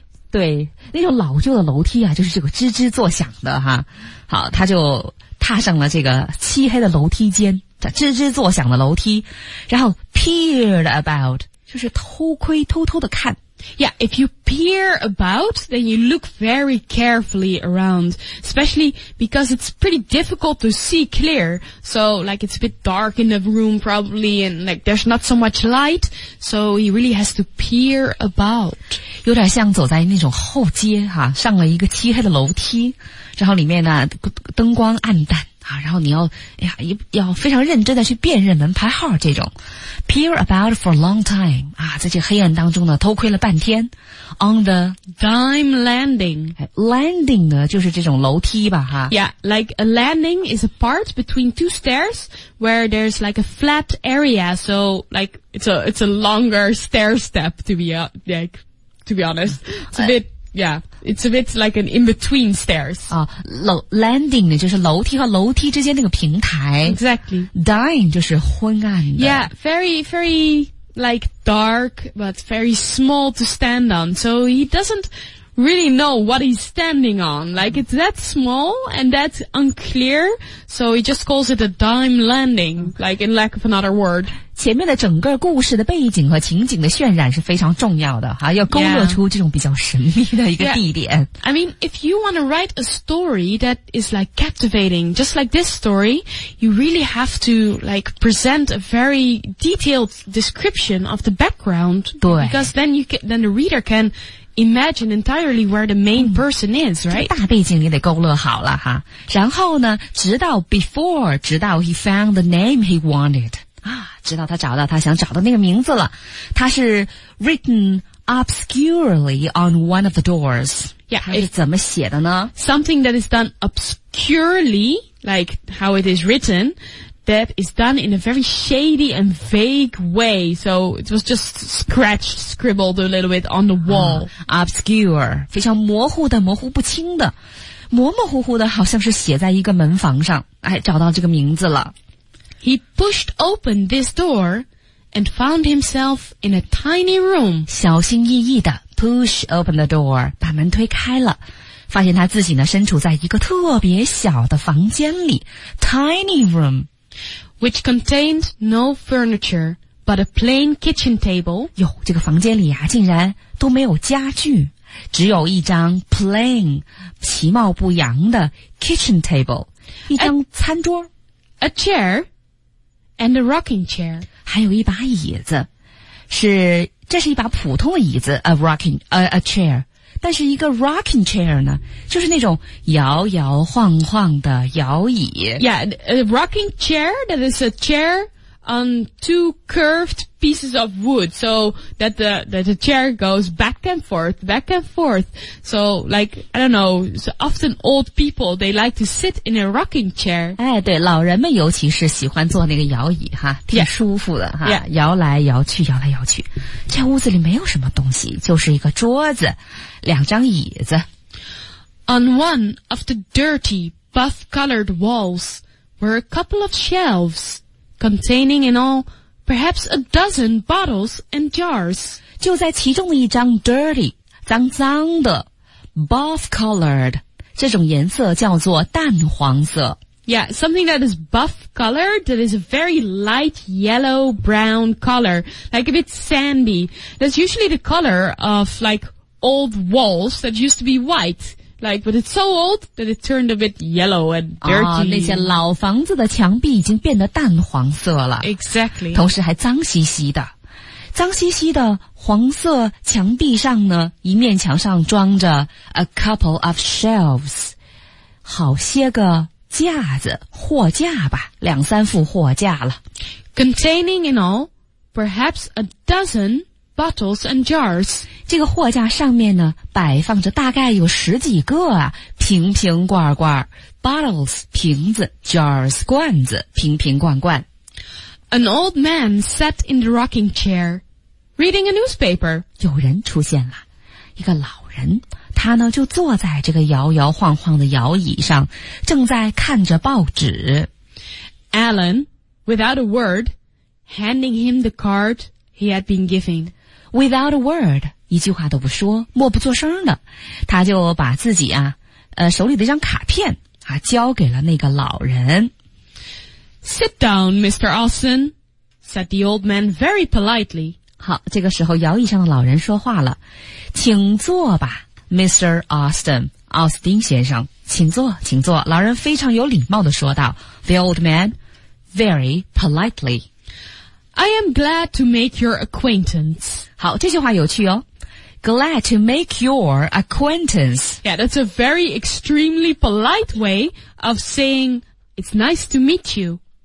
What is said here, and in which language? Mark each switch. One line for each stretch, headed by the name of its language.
Chinese: 对，那种老旧的楼梯啊，就是这个吱吱作响的哈。好，他就踏上了这个漆黑的楼梯间，吱吱作响的楼梯，然后
English: peered about,
Chinese: 就是偷窥偷偷的看。
English: Yeah, if you peer about, then you look very carefully around, especially because it's pretty difficult to see clear. So, like, it's a bit dark in the room probably, and like, there's not so much light, so he really has to peer about.
Chinese: 有点像走在那种后街啊，上了一个漆黑的楼梯，然后里面呢，灯光暗淡。啊，然后你要，哎呀，要非常认真的去辨认门牌号这种 ，
English: peer about for a long time
Chinese: 啊，在这黑暗当中呢，偷窥了半天 ，on the
English: dime landing，
Chinese: landing 呢就是这种楼梯吧，哈
English: ，yeah， like a landing is a part between two stairs where there's like a flat area， so like it's a longer stair step to be honest， it's a bit。 Yeah, it's a bit like an in-between stairs.
Chinese: Landing 就是楼梯和楼梯之间那个平台。
English: Exactly.
Chinese: Dime 就是昏暗的。
English: Yeah, very, very like dark, but very small to stand on. So he doesn't really know what he's standing on. Like it's that small and that's unclear. So he just calls it a dime landing, like in lack of another word.
Chinese: 前面的整个故事的背景和情景的渲染是非常重要的啊，要勾勒出这种比较神秘的一个地点。
English: Yeah. I mean, if you want to write a story that is like captivating, just like this story, you really have to like present a very detailed description of the background.
Chinese: 对。
English: Because then the reader can imagine entirely where the main person is, right?
Chinese: 大背景也得勾勒好了哈。然后呢，直到
English: he found the name he wanted.
Chinese: 直到他找到他想找的那个名字了，他是
English: written obscurely on one of the doors. Yeah,
Chinese: 他是怎么写的呢？
English: Something that is done obscurely, like how it is written, that is done in a very shady and vague way. So it was just scribbled a little bit on the wall.
Chinese: Obscure, 非常模糊的，模糊不清的，模模糊糊的，好像是写在一个门房上。哎，找到这个名字了。
English: He pushed open this door and found himself in a tiny room.
Chinese: 小心翼翼地
English: push open the door,
Chinese: 把门推开了，发现他自己呢身处在一个特别小的房间里 ,
English: tiny room, which contained no furniture, but a plain kitchen table.
Chinese: 哟，这个房间里啊竟然都没有家具，只有一张 plain, 其貌不扬的 kitchen table, 一张餐桌。
English: A chair,And a rocking chair.
Chinese: 还有一把椅子，这是一把普通的椅子 a chair. 但是一个 rocking chair 呢，就是那种摇摇晃晃的摇椅。
English: Yeah, a rocking chair, that is a chair on two curved pieces of wood. So that the chair goes back and forth. So like, I don't know, so often old people, they like to sit in a rocking chair.
Chinese: 哎，对，老人们尤其是喜欢坐那个摇椅哈，挺舒服的哈。
English: Yeah.
Chinese: 摇来摇去，摇来摇去。这屋子里没有什么东西，就是一个桌子，两张椅子。
English: On one of the dirty, buff-colored walls were a couple of shelves containing in all... Perhaps a dozen bottles and jars.
Chinese: 就在其中的一张 dirty, 脏脏的 buff colored, 这种颜色叫做淡黄色。
English: Yeah, something that is buff colored, that is a very light yellow brown color, like a bit sandy. That's usually the color of like old walls that used to be white. Like, but it's so old that it turned a bit yellow and dirty.
Chinese: 那些老房子的墙壁已经变得淡黄色了。
English: Exactly.
Chinese: 同时还脏兮兮的。脏兮兮的黄色墙壁上呢，一面墙上装着
English: a couple of shelves，
Chinese: 好些个架子，货架吧，两三副货架了。
English: Containing in all, perhaps a dozen bottles and jars.
Chinese: 这个货架上面呢，摆放着大概有十几个啊，瓶瓶罐罐 ,bottles, 瓶子 ,jars, 罐子，瓶瓶罐罐。
English: An old man sat in the rocking chair, reading a newspaper.
Chinese: 有人出现了，一个老人，他呢就坐在这个摇摇晃晃的摇椅上，正在看着报纸。
English: Alan, without a word, handing him the card he had been given. Without a word,
Chinese: 一句话都不说，默不作声的，他就把自己啊，手里的一张卡片啊，交给了那个老人。
English: Sit down, Mr. Austin, said the old man very politely.
Chinese: 好，这个时候摇椅上的老人说话了，请坐吧。
English: Mr.
Chinese: Austin, 奥斯丁先生，请坐，请坐。老人非常有礼貌地说道 ,
English: The old man, very politely. I am glad to make your acquaintance.
Chinese: 好，这句话有趣哦。
English: Glad to make your acquaintance. Yeah, that's a very extremely polite way of saying, it's nice to meet you.